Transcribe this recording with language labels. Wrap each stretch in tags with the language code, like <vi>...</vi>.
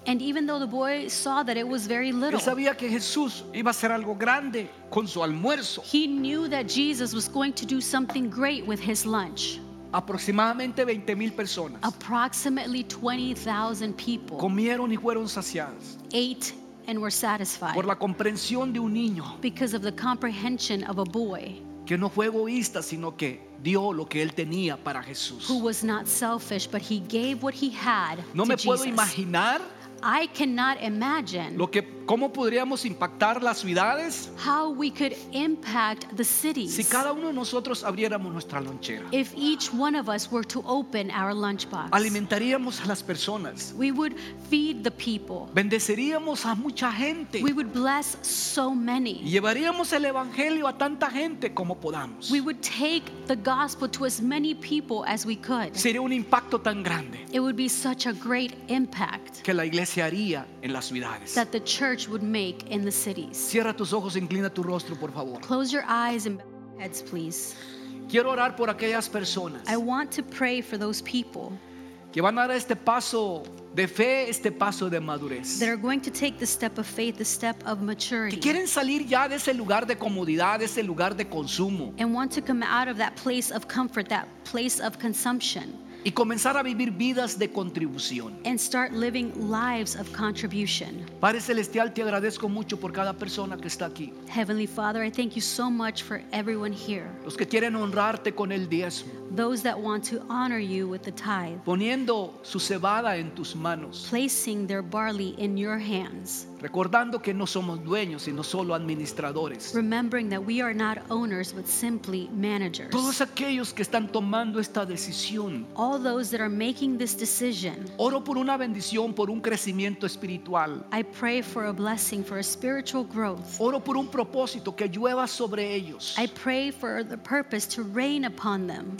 <en>And even though the boy saw that it was very little.</en> <es>Él sabía que Jesús iba a hacer algo grande con su almuerzo.</es> <en>He knew that Jesus was going to do something great with his lunch.</en> <es>Aproximadamente 20,000 personas.</es> <en>Approximately 20,000 people.</en> <es>Comieron y fueron saciadas.</es> <en>Ate and were satisfied.</en> <es>Por la comprensión de un niño.</es> <en>Because of the comprehension of a boy.</en> <es>Que no fue egoísta, sino que dio lo que él tenía para Jesús.</es> <en>Who was not selfish, but he gave what he had</en> <es>no</es> <en>to</en> <es>me puedo</es> <en>Jesus.</en> <es>Imaginar.</es> <en>I cannot imagine</en> <es>lo que, cómo podríamos impactar las ciudades</es> <en>how we could impact the cities</en> <es>si cada uno de nosotros abriéramos nuestra lonchera.</es> <en>If each one of us were to open our lunchbox.</en> <es>Alimentaríamos a las personas.</es> <en>We would feed the people.</en> <es>Bendeceríamos a mucha gente.</es> <en>We would bless so many.</en> <es>Llevaríamos el evangelio a tanta gente como podamos.</es> <en>We would take the gospel to as many people as we could.</en> <es>Sería un impacto tan grande.</es> <en>It would be such a great impact.</en> <es>Que la iglesia haría en las ciudades.</es> <en>That the church would make in the cities.</en> <es>Cierra tus ojos, inclina tu rostro, por favor.</es> <en>Close your eyes and bow your heads, please.</en> <es>Quiero orar por aquellas personas.</es> <en>I want to pray for those people.</en> <es>Que van a dar este paso de fe, este paso de madurez.</es> <en>That are going to take the step of faith, the step of maturity.</en> <es>Que quieren salir ya de ese lugar de comodidad, de ese lugar de consumo.</es> <en>And want to come out of that place of comfort, that place of consumption.</en> <es>Y comenzar a vivir vidas de contribución.</es> <en>And start living lives of contribution.</en> <es>Padre celestial, te agradezco mucho por cada persona que está aquí.</es> <en>Heavenly Father, I thank you so much for everyone here.</en> <es>Los que quieren honrarte con el diezmo.</es> <en>Those that want to honor you with the tithe.</en> <es>Poniendo su cebada en tus manos.</es> <en>Placing their barley in your hands.</en> <es>Recordando que no somos dueños, sino solo administradores.</es> <en>Remembering that we are not owners, but simply managers.</en> <es>Todos aquellos que están tomando esta decisión.</es> <en>All those that are making this decision.</en> <es>Oro por una bendición, por un crecimiento espiritual.</es> <en>I pray for a blessing, for a spiritual growth.</en> <es>Oro por un propósito que llueva sobre ellos.</es> <en>I pray for the purpose to rain upon them.</en>